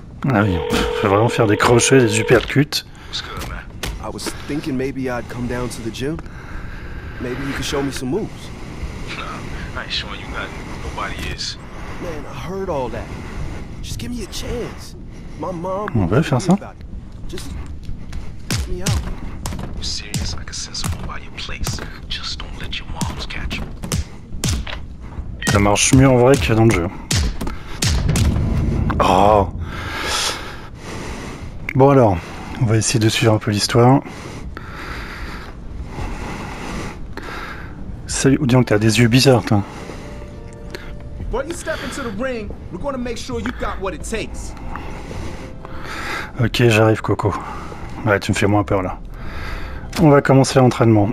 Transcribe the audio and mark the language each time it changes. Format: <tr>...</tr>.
<fr>Ah oui, faut vraiment faire des crochets, des uppercuts.</fr> <en>I was thinking maybe I'd come down to the gym. Maybe you could show me some moves. Nah, I ain't showing you nothing. Nobody is. Man, I heard all that. Just give me a chance. My mom.</en> <fr>On veut faire ça?</fr> <en>Just help me out. You serious? I can sense someone by your place. Just don't let your moms catch you.</en> <fr>Ça marche mieux en vrai que dans le jeu. Oh. Bon alors. On va essayer de suivre un peu l'histoire. Salut, disons que t'as des yeux bizarres, toi.</fr> <en>Before you step into the ring, we're gonna make sure you got what it takes.</en> <fr>Ok, j'arrive, Coco. Ouais, tu me fais moins peur, là. On va commencer l'entraînement.</fr>